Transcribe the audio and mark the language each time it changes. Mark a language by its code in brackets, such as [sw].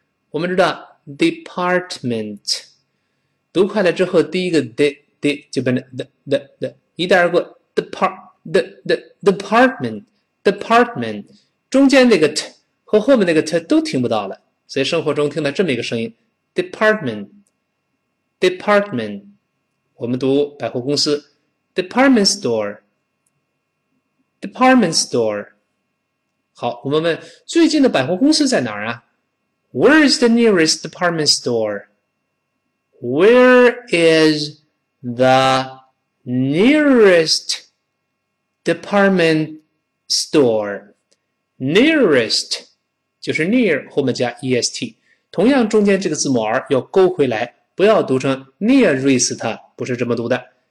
[zh] 我们知道 department 读快了之后，第一个 de 就变成 the 一带而过 department 中间那个 t 和后面那个 t 都听不到了。所以生活中听到这么一个声音，department，department，我们读百货公司，department store，department store。好，我们问最近的百货公司在哪儿啊？ [en] Where is the nearest department store？Where is the nearest department store？Nearest [zh] 就是 [en] near [zh] 后面加 [en] est。 [zh] 同样，中间这个字母 r 要勾回来，不要读成 nearest，它不是这么读的。